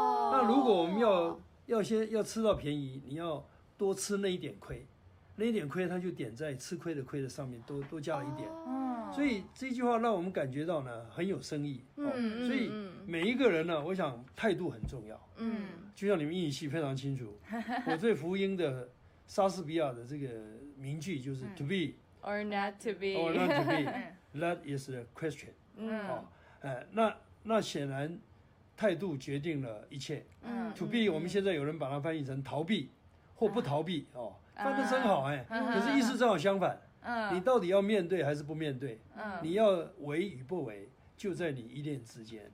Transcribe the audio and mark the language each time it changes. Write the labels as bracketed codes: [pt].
[zh] 那如果我们要吃到便宜，你要多吃那一点亏，那一点亏他就点在吃亏的亏的上面，多加了一点。所以这句话让我们感觉到呢很有深意，所以每一个人呢，我想态度很重要。嗯，就像你们英语系非常清楚，我最福音的莎士比亚的这个名句就是 [en] to be or not to be or not to be that is the question。嗯， [zh] 那显然态度决定了一切。嗯， [en] to be [zh] 我们现在有人把它翻译成逃避或不逃避，哦，翻得真好，哎，可是意思正好相反。嗯，你到底要面对还是不面对？嗯，你要为与不为，就在你一念之间。